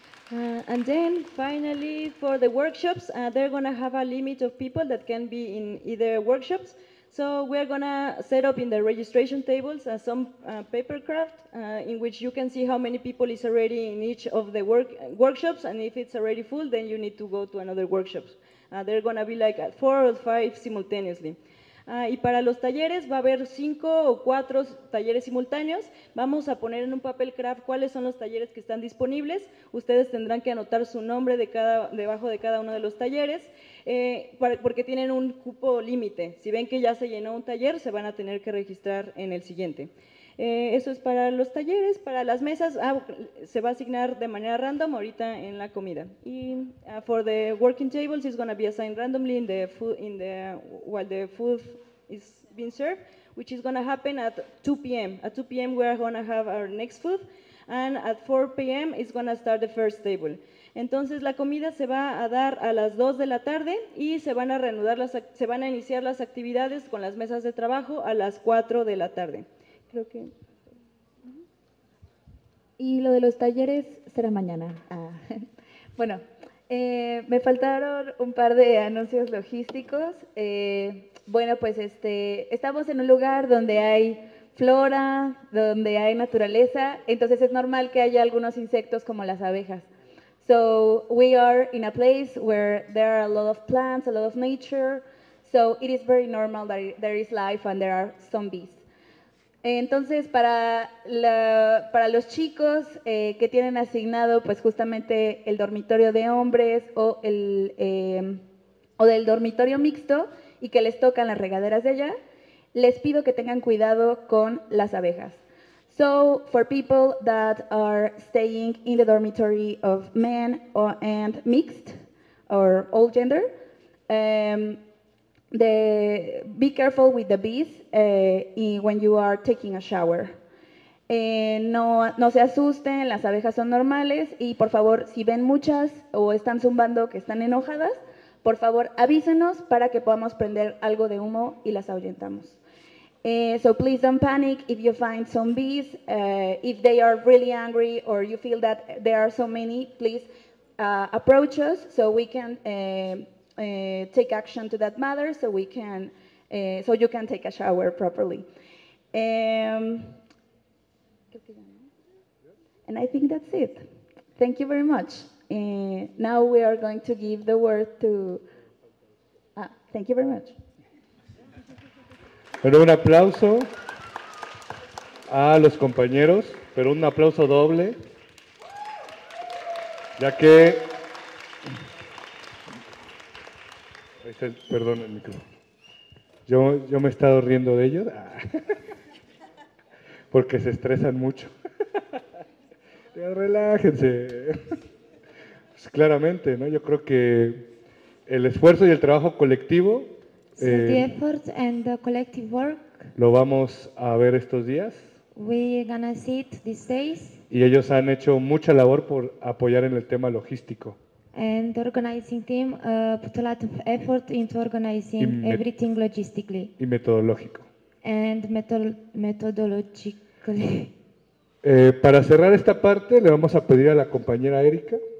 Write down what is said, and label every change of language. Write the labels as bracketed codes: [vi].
[en] And then finally for the workshops, they're gonna have a limit of people that can be in either workshops. So we're gonna set up in the registration tables some paper craft in which you can see how many people is already in each of the workshops, and if it's already full, then you need to go to another workshop. They're gonna be like at 4 or 5 simultaneously. [es] Y para los talleres va a haber 5 o 4 talleres simultáneos. Vamos a poner en un papel craft cuáles son los talleres que están disponibles. Ustedes tendrán que anotar su nombre debajo de cada uno de los talleres, porque tienen un cupo límite. Si ven que ya se llenó un taller, se van a tener que registrar en el siguiente. Eso es para los talleres. Para las mesas, se va a asignar de manera random ahorita en la comida. [en] Y for the working tables, it's going to be assigned randomly in the food, while the food is being served, which is going to happen at 2 p.m. At 2 p.m., we are going to have our next food, and at 4 p.m., it's going to start the first table. [es] Entonces, la comida se va a dar a las 2 de la tarde y se van a iniciar las actividades con las mesas de trabajo a las 4 de la tarde. Creo que. Y lo de los talleres será mañana. Bueno, me faltaron un par de anuncios logísticos. Bueno, pues estamos en un lugar donde hay flora, donde hay naturaleza, entonces es normal que haya algunos insectos como las abejas. [en] So we are in a place where there are a lot of plants, a lot of nature, so it is very normal that there is life and there are zombies. [es] Entonces, para los chicos que tienen asignado pues justamente el dormitorio de hombres o del dormitorio mixto y que les tocan las regaderas de allá, les pido que tengan cuidado con las abejas. [en] So, for people that are staying in the dormitory of men or, and mixed or all gender, be careful with the bees when you are taking a shower. [es] No se asusten, las abejas son normales y por favor, si ven muchas o están zumbando que están enojadas, por favor avísenos para que podamos prender algo de humo y las ahuyentamos. [en] So please don't panic if you find some bees, if they are really angry or you feel that there are so many, please approach us so we can take action to that matter, so we can, so you can take a shower properly. And I think that's it. Thank you very much. Now we are going to give the word to. Thank you very much. [es] Pero un aplauso a los compañeros, pero un aplauso doble, ya que. Perdón el micrófono. Yo me he estado riendo de ellos porque se estresan mucho. Relájense. Pues claramente, ¿no? Yo creo que el esfuerzo y el trabajo colectivo. [en] The effort and the collective work. [es] Lo vamos a ver estos días. [en] We're gonna see it these days. [es] Y ellos han hecho mucha labor por apoyar en el tema logístico. [en] And the organizing team put a lot of effort into organizing everything logistically. [es] Y metodológico. [en] And methodologically. [es] Para cerrar esta parte, le vamos a pedir a la compañera Erika.